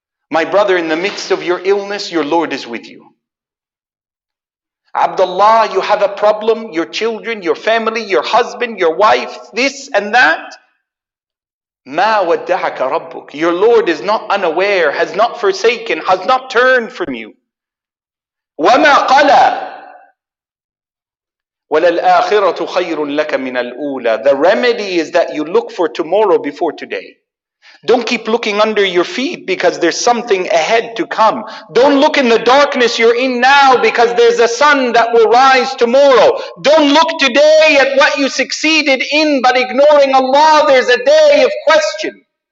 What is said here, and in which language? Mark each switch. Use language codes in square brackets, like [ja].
[en] My brother, in the midst of your illness, your Lord is with you. Abdullah, you have a problem, your children, your family, your husband, your wife, this and that. [ar] ما ودعك ربك. [en] Your Lord is not unaware, has not forsaken, has not turned from you. [ar] وما قلى وللآخرة خير لك من الأولى. [en] The remedy is that you look for tomorrow before today. Don't keep looking under your feet because there's something ahead to come. Don't look in the darkness you're in now because there's a sun that will rise tomorrow. Don't look today at what you succeeded in, but ignoring Allah, there's a day of question.